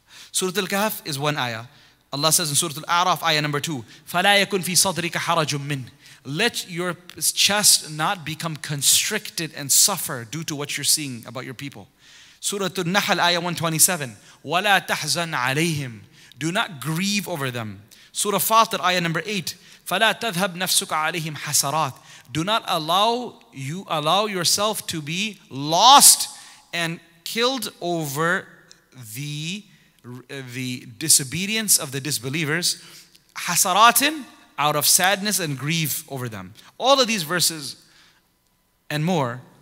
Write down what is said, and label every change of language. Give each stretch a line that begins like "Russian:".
English: Surah Al-Kahf is one ayah. Allah says in Surah Al-A'raf, ayah number 2,
Arabic: فَلَا يَكُنْ فِي صَدْرِكَ حَرَجٌ مِّنْ.
English: Let your chest not become constricted and suffer due to what you're seeing about your people. Surah Al-Nahl, ayah 127,
Arabic: وَلَا تَحْزَنْ عَلَيْهِمْ.
English: Do not grieve over them. Surah Fatir, ayah number 8,
Arabic: فَلَا تَذْهَبْ نَفْسُكَ عَلَيْهِمْ حَسَرَاتٍ.
English: Do not allow yourself to be lost and killed over the disobedience of the disbelievers, hasaratin, out of sadness and grief over them. All of these verses and more